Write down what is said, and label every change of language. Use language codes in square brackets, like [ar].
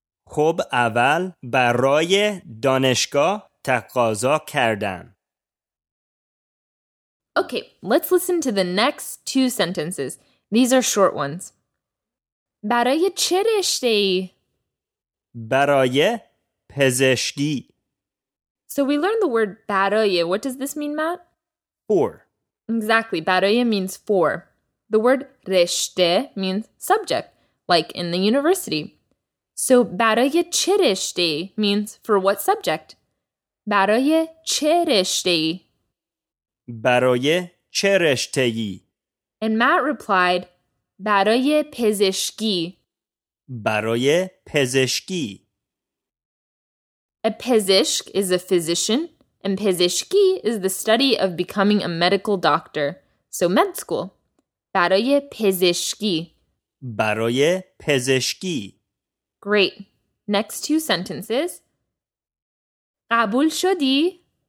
[fa] خب اول برای دانشگاه تقاضا کردم. [en] Okay, let's listen to the next two sentences. These are short ones. [fa] برای چه رشته ای؟ برای پزشکی. [en] So we learned the word برای. What does this mean, Matt? For. Exactly. برای means for. The word رشته means subject, like in the university. So, [fa] برای چه رشته‌ای [en] means for what subject? [fa] برای چه رشته‌ای. برای چه رشته‌ای. [en] And Matt replied, [fa] برای پزشکی. برای پزشکی. [en] A pezishk is a physician, and پزشکی is the study of becoming a medical doctor. So, med school. [fa] برای پزشکی. برای پزشکی. [en] Great. Next two sentences. [fa] قبول شدی؟